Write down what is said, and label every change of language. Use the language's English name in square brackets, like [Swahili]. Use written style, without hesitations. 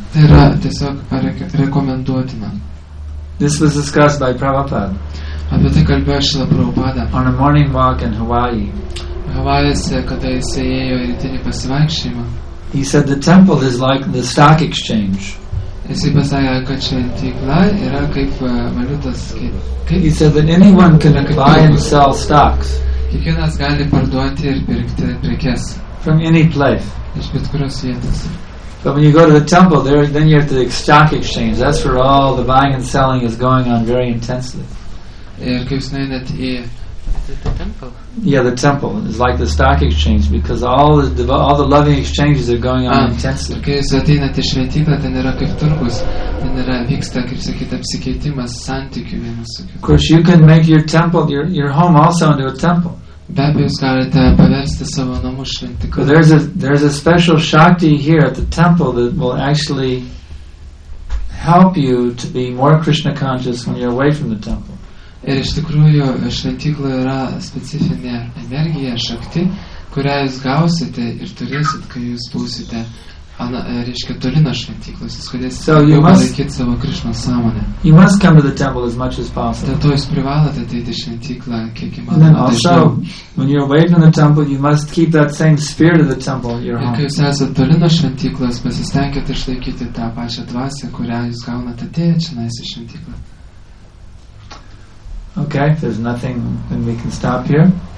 [Lithuanian] Tai yra tiesiog rekomenduotina. [English] This was discussed by Prabhupada. [Lithuanian] Apie tai kalbėjo Šila Prabhupada. [English] On a morning walk in Hawaii. [Lithuanian] Hawaii'se, kada jis ėjo į rytinį pasivaikščiojimą. [English] He said the temple is like the stock exchange. [Lithuanian] Jisai pasakė, kad šventykla yra kaip valiutos. [English] He said that anyone can buy and sell stocks. [Lithuanian] Kiekvienas gali parduoti ir pirkti prekes. [English] From any place. [Lithuanian] Iš bet kurios vietos. [English] But when you go to the temple, there, then you're at the stock exchange. That's where all the buying and selling is going on very intensely. [Lithuanian] Ir kaip jūs nuėjot į... [English] The temple? temple. Yeah, the temple is like the stock exchange because all the loving exchanges are going on intensely. Of course, you can make your temple, your home, also into a temple. But there's a special Shakti here at the temple that will actually help you to be more Krishna conscious when you're away from the temple. [Lithuanian] Ir iš tikrųjų šventykla yra specifinė energija, šakti, kurią jūs gausite ir turėsit, kai jūs būsite toli nuo šventyklos. Jūs galėsite palaikyti savo Krishna sąmonę. [English] You must come to the temple as much as possible. [Lithuanian] Dėl to jūs privalote ateiti į šventyklą, kiek įmanoma. [English] And then also, when you're away from the temple, you must keep that same spirit of the temple in your home. [Lithuanian] Ir kai jūs esate toli nuo šventyklos, pasistengiate išlaikyti tą pačią dvasią, kurią jūs gaunate atėjęs į šventyklą. [English] Okay, if there's nothing, then we can stop here.